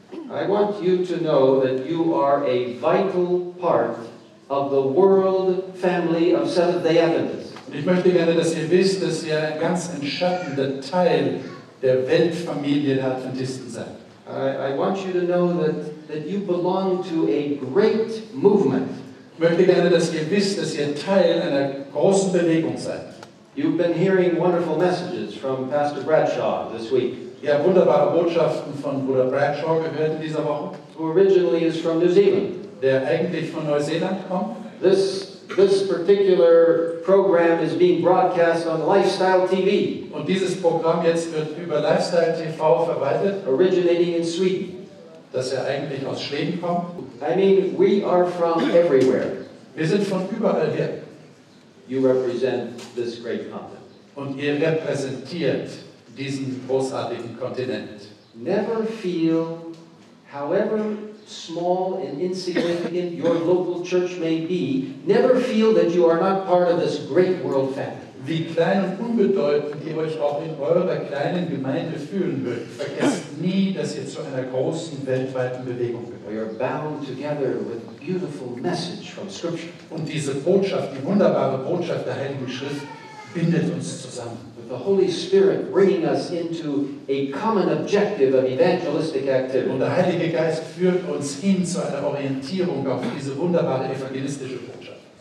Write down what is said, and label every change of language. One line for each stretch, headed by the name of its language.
English: I want you to know that you are a vital part of the world family of Seventh-day Adventists.
German: Und ich möchte gerne, dass ihr wisst, dass ihr ein ganz entscheidender Teil der Weltfamilie der Adventisten seid.
English: I want you to know that you belong to a great movement.
German: Ich möchte gerne, dass ihr wisst, dass ihr Teil einer großen Bewegung seid.
English: You've been hearing wonderful messages from Pastor Bradshaw this week.
German: Ja, wunderbare Botschaften von Bruder Bradshaw gehört in dieser Woche.
English: Who originally is from New Zealand.
German: Der eigentlich von Neuseeland kommt.
English: This particular program is being broadcast on Lifestyle TV.
German: Und dieses Programm jetzt wird über Lifestyle TV verwaltet.
English: Originating in Sweden.
German: Dass er eigentlich aus Schweden kommt.
English: I mean, we are from everywhere.
German: Wir sind von überall her.
English: You represent this great continent.
German: Und ihr repräsentiert diesen großartigen Kontinent.
English: Never feel, however small and insignificant your local church may be, never feel that you are not part of this great world family.
German: Wie klein und unbedeutend ihr euch auch in eurer kleinen Gemeinde fühlen würdet, vergesst nie, dass ihr zu einer großen weltweiten Bewegung gehört.
English: We are bound together with a beautiful message from Scripture.
German: Und diese Botschaft, die wunderbare Botschaft der Heiligen Schrift, bindet uns zusammen.
English: The Holy Spirit bringing us into a common objective of evangelistic activity.
German: Und der Heilige Geist führt uns hin zu einer Orientierung auf diese wunderbare evangelistische Botschaft.